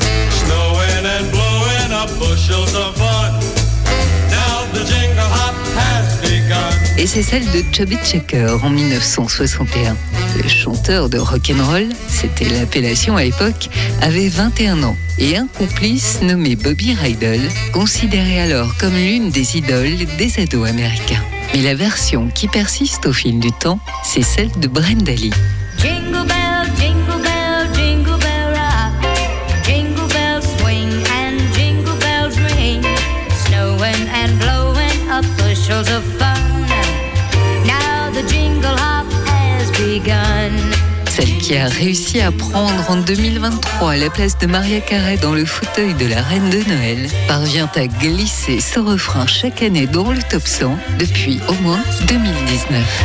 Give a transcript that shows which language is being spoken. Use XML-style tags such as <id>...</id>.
<en>Snowing and blowing up bushels of fun. Now the jingle hop has begun.</en> <fr>Et c'est celle de Chubby Checker en 1961. Le chanteur de rock'n'roll, c'était l'appellation à l'époque, avait 21 ans. Et un complice nommé Bobby Rydell, considéré alors comme l'une des idoles des ados américains. Mais la version qui persiste au fil du temps, c'est celle de Brenda Lee.</fr> <en>Jingle bell, jingle bell, jingle bell rock. Jingle bells swing and jingle bells ring. Snowing and blowing up bushels of fun. Now the jingle hop has begun.</en> <fr>Celle qui a réussi à prendre en 2023 la place de Mariah Carey dans le fauteuil de la Reine de Noël parvient à glisser ce refrain chaque année dans le top 100 depuis au moins 2019.</fr>